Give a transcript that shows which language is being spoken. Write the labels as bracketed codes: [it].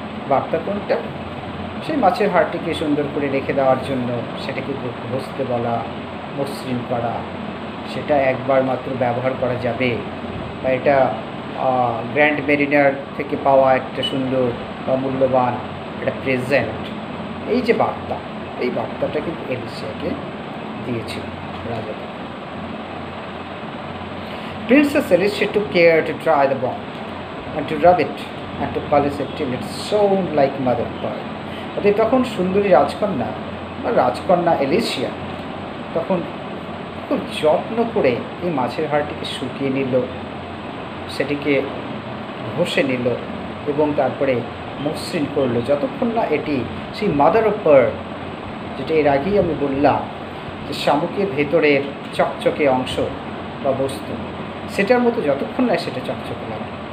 [bn] বার্তা কোনটা, সেই মাছের হাড়টিকে সুন্দর করে রেখে দেওয়ার জন্য সেটাকে ঘষতে বলা, মসৃণ করা, সেটা একবার মাত্র ব্যবহার করা যাবে, বা এটা গ্র্যান্ড মেরিনার থেকে পাওয়া একটা সুন্দর বা মূল্যবান একটা প্রেজেন্ট, এই যে বার্তা, এই বার্তাটা কিন্তু এলিসিয়াকে দিয়েছিল রাজা। [en] Princess Alicia took care to dry the bone and to rub it and to polish it till it shone like mother pearl. [bn] অতএব তখন সুন্দরী রাজকন্যা বা রাজকন্যা এলিসিয়া তখন খুব যত্ন করে এই মাছের হাড়টিকে শুকিয়ে নিল, সেটিকে ঘষে নিল এবং তারপরে মসৃণ করলো, যতক্ষণ না এটি সেই মাদার অফ পার্ল, যেটা এর আগেই আমি বললাম যে শামুকের ভেতরের চকচকে অংশ বা বস্তু, সেটার মতো যতক্ষণ নেয় সেটা চকচকে লাগে।